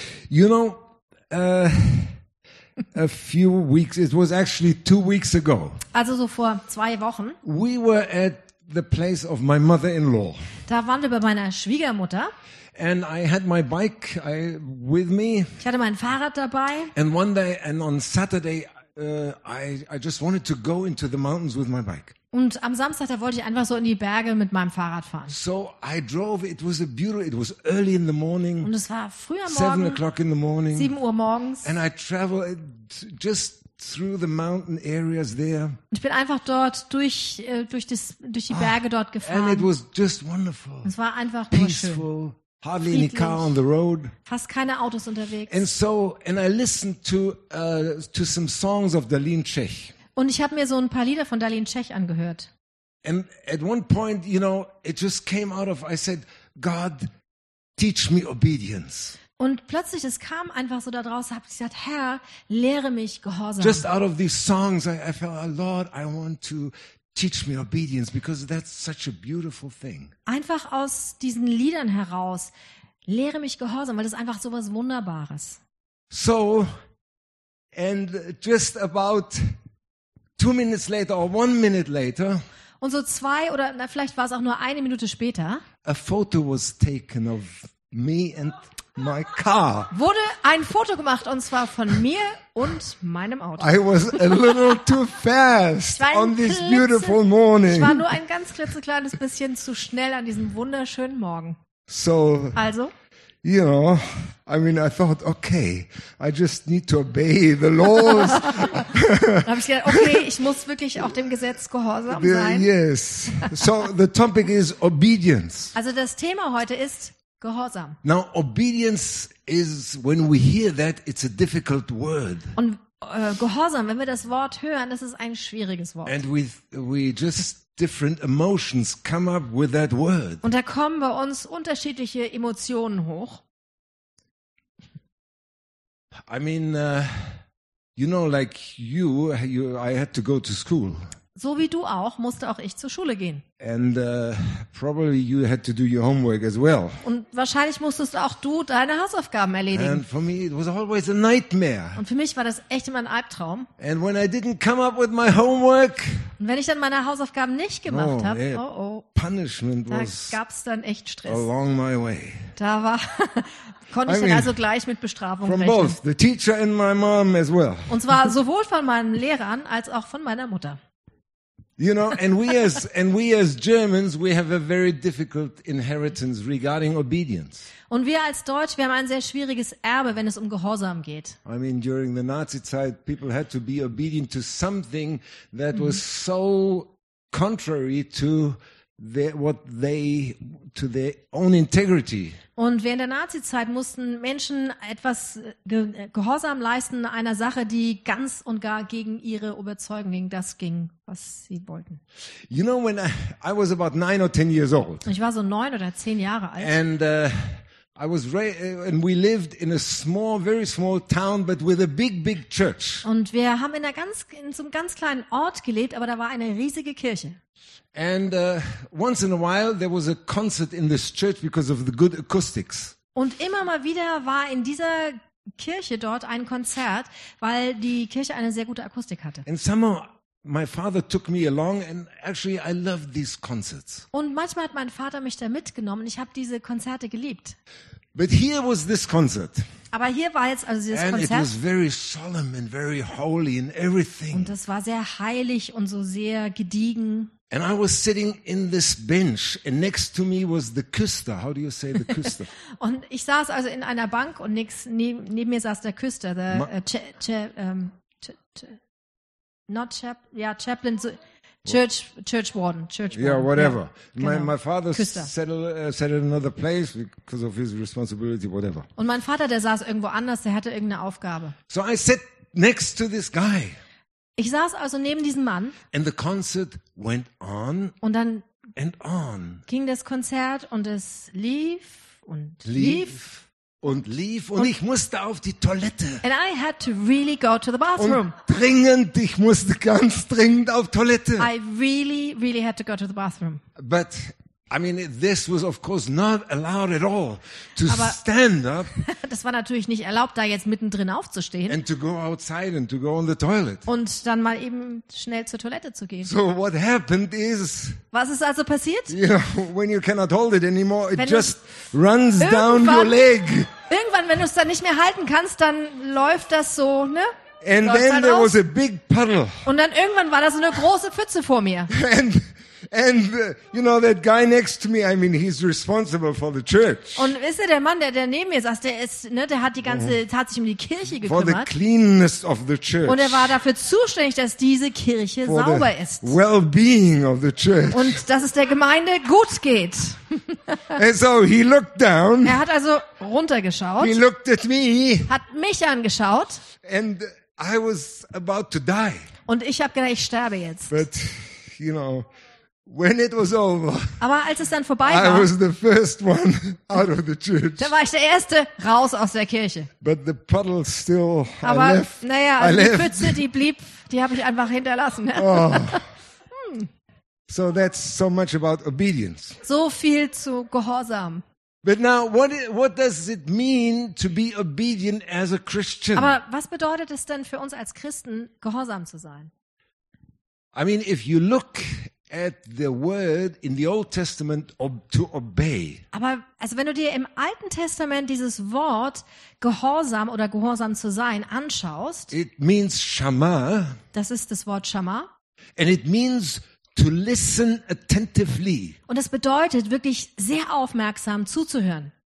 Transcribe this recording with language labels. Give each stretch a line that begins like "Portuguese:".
English: You know, a few weeks, it was actually 2 weeks ago.
German: Also so vor 2 Wochen.
English: We were at the place of my mother-in-law.
German: Da waren wir bei meiner Schwiegermutter.
English: And I had my bike with me.
German: Ich hatte mein Fahrrad dabei.
English: And one day, and on Saturday, I just wanted to go into the mountains with my bike.
German: Und am Samstag, da wollte ich einfach so in die Berge mit meinem Fahrrad fahren.
English: So I drove, it was a beautiful, it was early in the morning.
German: Und es war früh am Morgen.
English: 7 o'clock in the morning.
German: 7 Uhr morgens.
English: And I traveled just through the mountain areas there.
German: Ich bin einfach dort durch die Berge dort gefahren.
English: And it was just wonderful.
German: Es war einfach
English: peaceful. Hardly any car on the road.
German: Fast keine Autos unterwegs.
English: And I listened to some songs of Darlene Czech.
German: Und ich habe mir so ein paar Lieder von Darlene Czech angehört.
English: And at one point, you know, it just came out of, I said, God, teach me obedience.
German: Und plötzlich, es kam einfach so da draus, habe ich gesagt, Herr, lehre mich Gehorsam.
English: Just out of these songs, I felt, oh Lord, I want to teach me obedience, because that's such a beautiful thing.
German: Einfach aus diesen Liedern heraus, lehre mich Gehorsam, weil das ist einfach so was Wunderbares.
English: So, and just about 2 minutes later or 1 minute later.
German: Und so 2 oder na, vielleicht war es auch nur 1 Minute später.
English: A photo was taken of me and my car.
German: Wurde ein Foto gemacht und zwar von mir und meinem Auto.
English: I was a little too fast on this beautiful morning.
German: Ich war nur ein ganz klitzekleines bisschen zu schnell an diesem wunderschönen Morgen.
English: So.
German: Also.
English: You know, I mean, I thought, okay, I just need to obey the laws.
German: Da hab ich gedacht, okay, ich muss wirklich auch dem Gesetz gehorsam sein.
English: Yes. So the topic is obedience.
German: Also das Thema heute ist Gehorsam.
English: Now obedience is, when we hear that, it's a difficult word.
German: Und Gehorsam, wenn wir das Wort hören, das ist ein schwieriges Wort.
English: And we just different emotions come up with that word.
German: Und da kommen bei uns unterschiedliche Emotionen hoch.
English: I mean, you know, like you, I had to go to school.
German: So wie du auch, musste auch ich zur Schule gehen.
English: And probably you had to do your homework as well.
German: Und wahrscheinlich musstest auch du deine Hausaufgaben erledigen.
English: And for me it was always a nightmare.
German: Und für mich war das echt immer ein Albtraum.
English: And when I didn't come up with my homework.
German: Und wenn ich dann meine Hausaufgaben nicht gemacht habe,
English: punishment
German: da gab's dann echt Stress.
English: Along my way.
German: Da war konnte ich dann also gleich mit Bestrafung
English: from
German: rechnen.
English: Both the teacher and my mom as well.
German: Und zwar sowohl von meinen Lehrern als auch von meiner Mutter.
English: You know, and we as Germans, we have a very difficult inheritance regarding obedience.
German: Und wir als Deutsche, wir haben ein sehr schwieriges Erbe, wenn es um Gehorsam geht.
English: I mean, during the Nazi Zeit, people had to be obedient to something that mm-hmm. was so contrary to their own integrity.
German: Und während der Nazizeit mussten Menschen etwas Gehorsam leisten einer Sache, die ganz und gar gegen ihre Überzeugung, gegen das ging, was sie wollten.
English: You know, when I was about 9 or 10 years old.
German: Ich war so 9 oder 10 Jahre alt.
English: And I was and we lived in a small, very small town, but with a big, big church.
German: Und wir haben in so einem ganz kleinen Ort gelebt, aber da war eine riesige Kirche.
English: And once in a while there was a concert in this church because of the good acoustics.
German: Und immer mal wieder war in dieser Kirche dort ein Konzert, weil die Kirche eine sehr gute Akustik hatte.
English: And somehow my father took me along and actually I loved these concerts.
German: Und manchmal hat mein Vater mich da mitgenommen, ich habe diese Konzerte geliebt.
English: But here was this concert.
German: Aber hier war jetzt also dieses
English: and
German: Konzert.
English: And it was very solemn and very holy and everything.
German: Und das war sehr heilig und so sehr gediegen.
English: And I was sitting in this bench and next to me was the Küster. How do you say the Küster?
German: Und ich saß also in einer Bank und neben mir saß der Küster, der
English: chaplain, so, church warden. Yeah, whatever. Yeah,
German: genau.
English: My father settled in another place because of his responsibility, whatever.
German: Und mein Vater, der saß irgendwo anders, der hatte irgendeine Aufgabe.
English: So I sat next to this guy.
German: Ich saß also neben diesem Mann.
English: And the concert went on.
German: Und dann
English: and on.
German: Ging das Konzert und es lief und ich musste auf die Toilette.
English: And I had to really go to the bathroom.
German: Und dringend, ich musste ganz dringend auf Toilette.
English: I really, really had to go to the bathroom. But I mean, this was of course not allowed at all to stand up.
German: Das war natürlich nicht erlaubt, da jetzt mittendrin aufzustehen.
English: And to go outside and to go on the toilet.
German: Und dann mal eben schnell zur Toilette zu gehen.
English: So what happened is.
German: Was ist also passiert?
English: You know, when you cannot hold it anymore, it just runs down your leg.
German: Irgendwann, wenn du es dann nicht mehr halten kannst, dann läuft das so, ne?
English: And then there was a big puddle.
German: Und dann irgendwann war da so eine große Pfütze vor mir.
English: And you know that guy next to me, I mean, he's responsible for the church.
German: Und wisst ihr, der Mann, der neben mir saß, der ist, ne, der hat die ganze, hat sich um die Kirche gekümmert.
English: For the cleanness of the church.
German: Und er war dafür zuständig, dass diese Kirche
English: for
German: sauber
English: the
German: ist.
English: Well-being of the church.
German: Und dass es der Gemeinde gut geht.
English: And so he looked down.
German: Er hat also runtergeschaut.
English: He looked at me.
German: Hat mich angeschaut.
English: And I was about to die.
German: Und ich habe gedacht, ich sterbe jetzt.
English: But you know. When it was over,
German: aber als es dann vorbei war,
English: I was the first one out of the church.
German: Da war ich der Erste raus aus der Kirche.
English: But the puddle still,
German: aber,
English: I left.
German: Naja,
English: I left.
German: Die Pfütze, die blieb, die habe ich einfach hinterlassen. Oh.
English: So that's so much about obedience.
German: So viel zu Gehorsam.
English: But now, what does it mean to be obedient as a Christian?
German: Aber was bedeutet es denn für uns als Christen, gehorsam zu sein?
English: I mean, if you look at the word in the Old Testament to obey.
German: Aber also wenn du dir im Alten Testament dieses Wort gehorsam oder gehorsam zu sein anschaust,
English: it means shama.
German: Das ist das Wort shama.
English: And it means to listen attentively.
German: Und es bedeutet wirklich sehr aufmerksam zuzuhören.